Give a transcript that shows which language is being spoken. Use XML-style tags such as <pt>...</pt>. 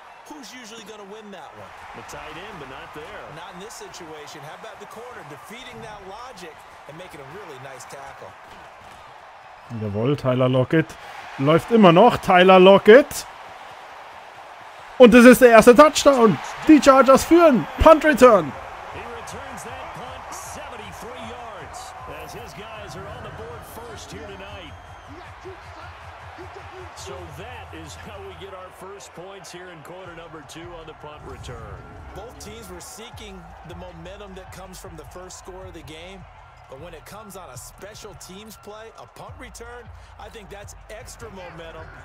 <en>Who's usually going to win that one? The tight end, but not there. Not in this situation. How about the corner defeating that logic and making a really nice tackle?</en> <de>Jawohl, Tyler Lockett läuft immer noch. Tyler Lockett. Und das ist der erste Touchdown. Die Chargers führen. Punt return.</de> <en>He returns that punt 73 yards as his guys are on the board first here tonight. So that is how we get our first points here in quarter number 2 on the punt return. Both teams were seeking the momentum that comes from the first score of the game, but when it comes on a special teams play, a punt return, I think that's extra momentum.</en>